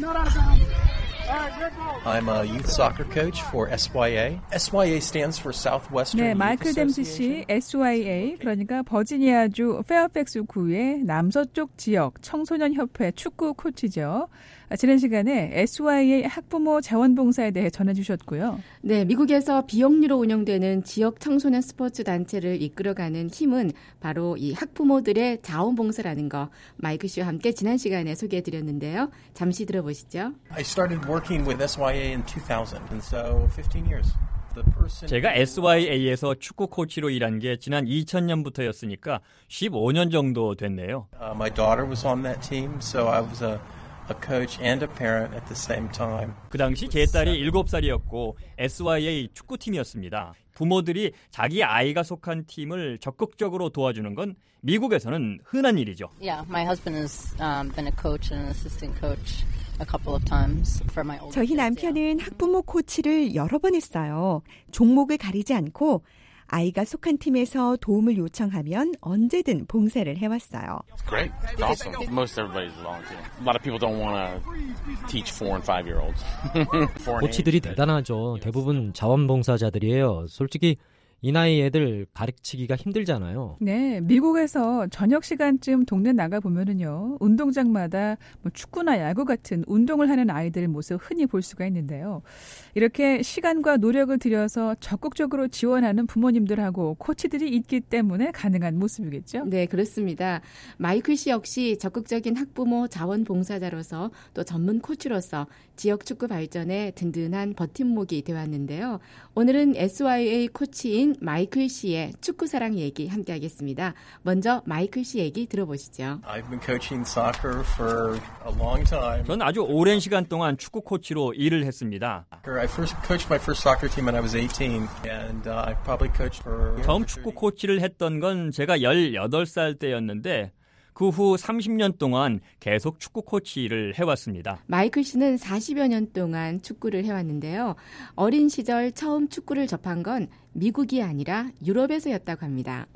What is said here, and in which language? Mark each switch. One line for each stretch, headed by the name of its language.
English: 네, I'm a youth soccer coach for SYA. SYA stands for Southwestern.
Korean: 네, 마이클 댐시 씨, SYA 그러니까 버지니아주 페어팩스 구의 남서쪽 지역 청소년 협회 축구 코치죠. 지난 시간에 SYA 학부모 자원봉사에 대해 전해주셨고요. 네, 미국에서 비영리로 운영되는 지역 청소년 스포츠 단체를 이끌어가는 힘은 바로 이 학부모들의 자원봉사라는 거 마이크 씨와 함께 지난 시간에 소개해드렸는데요. 잠시 들어보시죠.
English: I started working with SYA in 2000, and so 15 years.
Korean: 제가 SYA에서 축구 코치로 일한 게 지난 2000년부터였으니까 15년 정도 됐네요.
English: My daughter was on that team, so I was a coach and a parent at the same time.
Korean: 그 당시 제 딸이 7살이었고 SYA 축구팀이었습니다. 부모들이 자기 아이가 속한 팀을 적극적으로 도와주는 건 미국에서는 흔한 일이죠.
English: Yeah, my husband has been a coach and an assistant coach a couple of times for my older.
Korean: 저희 남편은 학부모 코치를 여러 번 했어요. 종목을 가리지 않고 아이가 속한 팀에서 도움을 요청하면 언제든 봉사를 해왔어요.
English: Great, awesome. Most everybody's volunteer. A lot of people don't want to teach 4 and 5 year olds.
Korean: 코치들이 대단하죠. 대부분 자원봉사자들이에요. 솔직히 이 나이 애들 가르치기가 힘들잖아요. 네, 미국에서 저녁 시간쯤 동네 나가 보면은요, 운동장마다 뭐 축구나 야구 같은 운동을 하는 아이들 모습 흔히 볼 수가 있는데요. 이렇게 시간과 노력을 들여서 적극적으로 지원하는 부모님들하고 코치들이 있기 때문에 가능한 모습이겠죠? 네, 그렇습니다. 마이클 씨 역시 적극적인 학부모 자원봉사자로서 또 전문 코치로서 지역 축구 발전에 든든한 버팀목이 되어왔는데요. 오늘은 SYA 코치인 마이클 씨의 축구 사랑 얘기 함께하겠습니다. 먼저 마이클 씨 얘기 들어보시죠.
English: I've been coaching soccer for a long time.
Korean: 저는 아주 오랜 시간 동안 축구 코치로 일을 했습니다.
English: I first coached my first soccer team when I was 18, and I probably coached for.
Korean: 처음 축구 코치를 했던 건 제가 18살 때였는데. 그 후 30년 동안 계속 축구 코치를 해왔습니다. 마이클 씨는 40여 년 동안 축구를 해왔는데요. 어린 시절 처음 축구를 접한 건 미국이 아니라 유럽에서였다고 합니다.